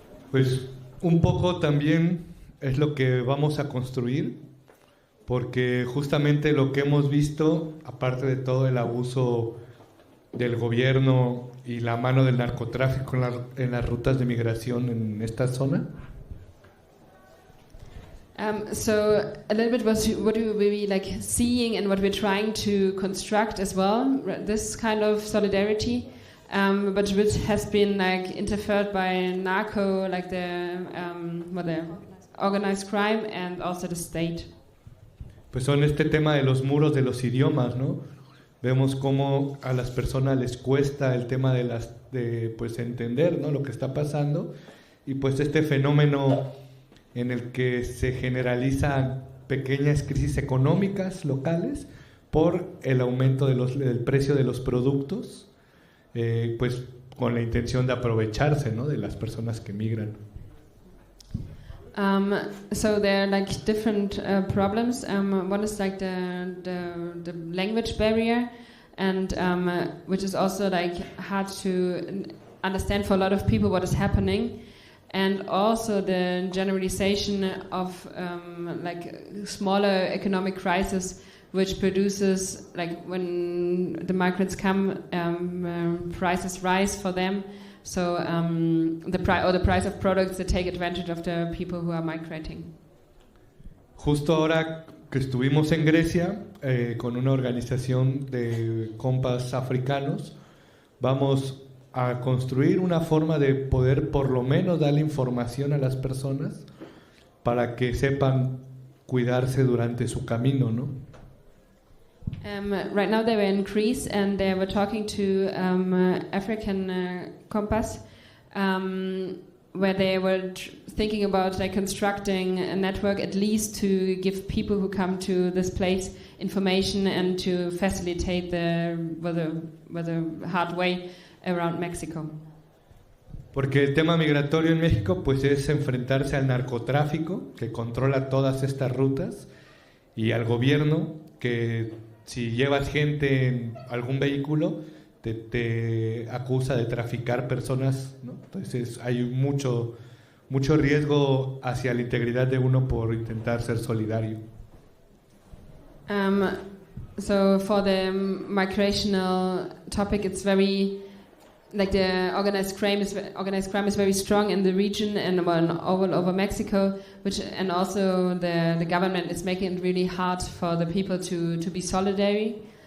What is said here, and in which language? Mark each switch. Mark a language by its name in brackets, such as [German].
[Spanish] Pues un poco también es lo que vamos a construir, porque justamente lo que hemos visto, aparte de todo el abuso del gobierno y la mano del narcotráfico en las rutas de migración en esta zona. [English] So a little bit was what we will be like seeing and what we're trying to construct as well, this kind of solidarity. But which has been like interfered by narco, like the organized crime and also the state. [Spanish] Pues son este tema de los muros de los idiomas, ¿no? Vemos cómo a las personas les cuesta el tema de las de pues entender, ¿no? Lo que está pasando y pues este fenómeno en el que se generalizan pequeñas crisis económicas locales por el aumento de los del precio de los productos. Pues con la intención de aprovecharse, ¿no? De las personas que migran. [English] So there are like different problems. One is like the language barrier, and which is also like hard to understand for a lot of people what is happening, and also the generalization of like smaller economic crisis. Which produces, like, when the migrants come, prices rise for them. So the price of products, they take advantage of the people who are migrating. [Spanish] Justo ahora que estuvimos en Grecia con una organización de compas africanos, vamos a construir una forma de poder por lo menos darle información a las personas para que sepan cuidarse durante su camino, ¿no? [English] Right now they were in Greece and they were talking to African compass where they were thinking about like constructing a network at least to give people who come to this place information and to facilitate the hard way around Mexico. [Spanish] Porque el tema migratorio en México pues es enfrentarse al narcotráfico que controla todas estas rutas y al gobierno que si llevas gente en algún vehículo, te acusa de traficar personas, ¿no? Entonces hay mucho riesgo hacia la integridad de uno por intentar ser solidario. [English] So for the migrational topic, it's very like the organized crime is very strong in the region and all over Mexico, which and also the government is making it really hard for the people to be solidary.